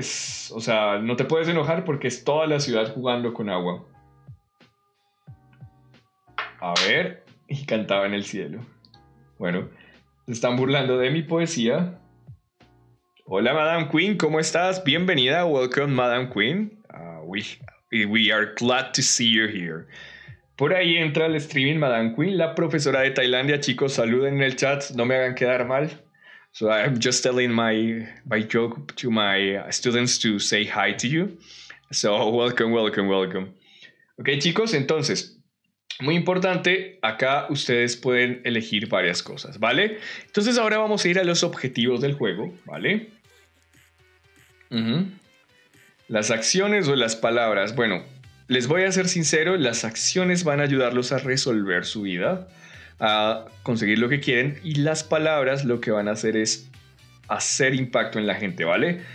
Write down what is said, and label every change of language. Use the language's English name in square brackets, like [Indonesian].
[Spanish] O sea, no te puedes enojar porque es toda la ciudad jugando con agua. A ver, y cantaba en el cielo. Bueno, se están burlando de mi poesía. Hola, Madame Queen, ¿cómo estás? Bienvenida, [English] welcome, [Spanish] Madame Queen. [English] We are glad to see you here. [Spanish] Por ahí entra el streaming, Madame Queen, la profesora de Tailandia. Chicos, saluden en el chat, no me hagan quedar mal. [English] So I'm just telling my joke to my students to say hi to you. So welcome, welcome, welcome. Ok, [Spanish] chicos, entonces. Muy importante, acá ustedes pueden elegir varias cosas, ¿vale? Entonces ahora vamos a ir a los objetivos del juego, ¿vale? Las acciones o las palabras. Bueno, les voy a ser sincero, las acciones van a ayudarlos a resolver su vida, a conseguir lo que quieren y las palabras lo que van a hacer es hacer impacto en la gente, ¿vale?